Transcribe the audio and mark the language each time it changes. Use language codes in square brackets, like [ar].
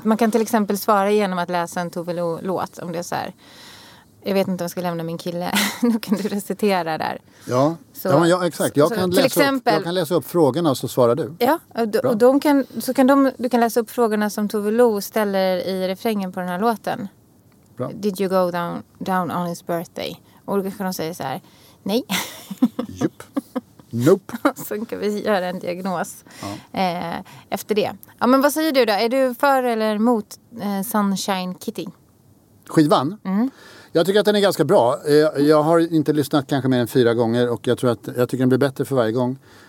[sv] Man kan till exempel svara genom att läsa en Tove Lo-låt om det är så här. Jag vet inte om jag ska lämna min kille. Då kan du recitera där. Ja, exakt. Jag kan läsa upp frågorna och så svarar du. Ja, och du kan läsa upp frågorna som Tove Lo ställer i refrängen på den här låten. Bra. [en] Did you go down on his birthday? [sv] Och då kan de säga så här, nej. Jupp. Nope. Så kan vi göra en diagnos efter det. Ja, men vad säger du då? Är du för eller mot Sunshine Kitty? Skivan? Mm. Jag tycker att den är ganska bra. Jag har inte lyssnat kanske mer än 4 gånger och jag tycker den blir bättre för varje gång.